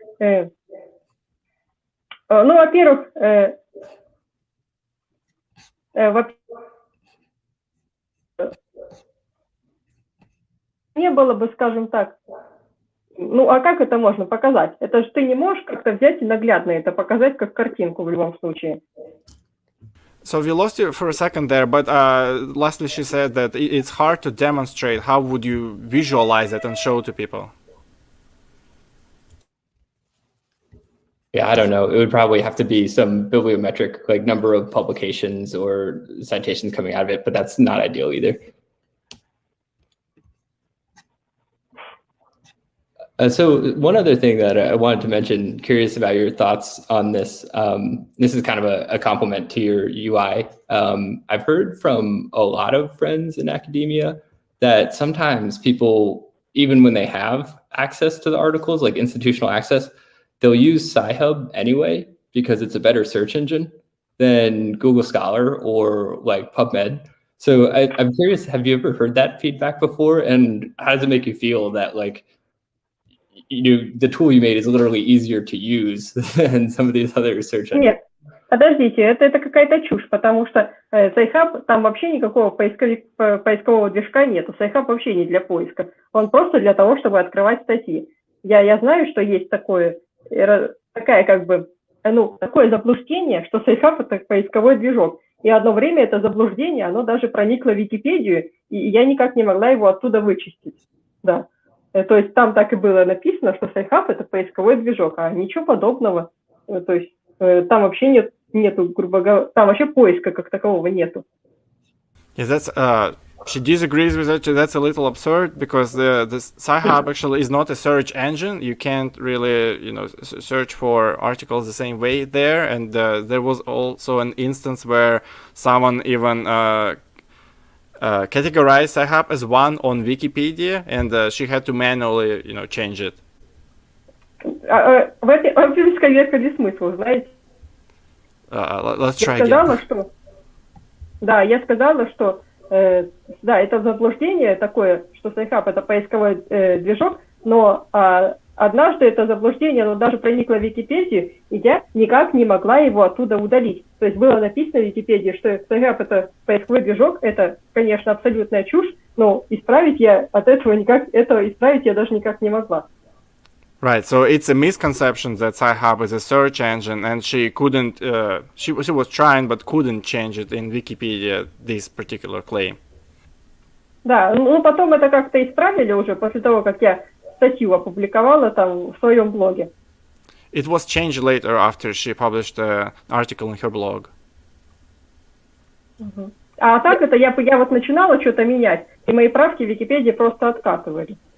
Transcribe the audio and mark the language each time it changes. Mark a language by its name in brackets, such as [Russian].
[Russian] ну, во-первых, не было бы, скажем так, ну, а как это можно показать? Это же ты не можешь как-то взять и наглядно это показать, как картинку в любом случае. [English] So we lost you for a second there, but lastly she said that it's hard to demonstrate. How would you visualize it and show it to people? Yeah, I don't know. It would probably have to be some bibliometric, like number of publications or citations coming out of it, but that's not ideal either. So one other thing that I wanted to mention, curious about your thoughts on this. This is kind of a compliment to your UI. I've heard from a lot of friends in academia that sometimes people, even when they have access to the articles, like institutional access, they'll use Sci-Hub anyway because it's a better search engine than Google Scholar or like PubMed. So I'm curious, have you ever heard that feedback before? And how does it make you feel that like, you know, the tool you made is literally easier to use than some of these other research engines. [Russian] Нет, подождите, это какая-то чушь, потому что Sci-Hub, там вообще никакого поискового движка нет. Sci-Hub вообще не для поиска. Он просто для того, чтобы открывать статьи. Я знаю, что есть такое, такая как бы, ну, такое заблуждение, что Sci-Hub это поисковой движок. И одно время это заблуждение, оно даже проникло в Википедию, и я никак не могла его оттуда вычистить. Да. То есть там так и было написано, что Sci-Hub это поисковой движок, а ничего подобного. То есть там вообще нету, грубо говоря, там вообще поиска как такового нету. [English] Yes, that's she disagrees with that. That's a little absurd because the Sci-Hub actually is not a search engine. You can't really, you know, search for articles the same way there. And there was also an instance where someone even categorize Sci-Hub as one on Wikipedia, and she had to manually, you know, change it. [Russian] В этой вообще сковеркали смысл, знаете? [English] Let's try again. [Russian] Я сказала, что да, это заблуждение такое, что Sci-Hub это поисковой движок, но однажды это заблуждение, оно даже проникло в Википедию, и я никак не могла его оттуда удалить. То есть было написано в Википедии, что Sci-Hub это поисковой движок, это, конечно, абсолютная чушь, но исправить я от этого никак, это исправить я даже никак не могла. [English] Right, so it's a misconception that Sci-Hub is a search engine, and she couldn't, she was trying, but couldn't change it in Wikipedia, this particular claim. [Russian] Да, ну потом это как-то исправили уже, после того, как я статью опубликовала там в своем блоге. [English] It was changed later after she published an article in her blog. [Russian] А так это я вот начинала что-то менять, и мои правки в Википедии просто откатывали.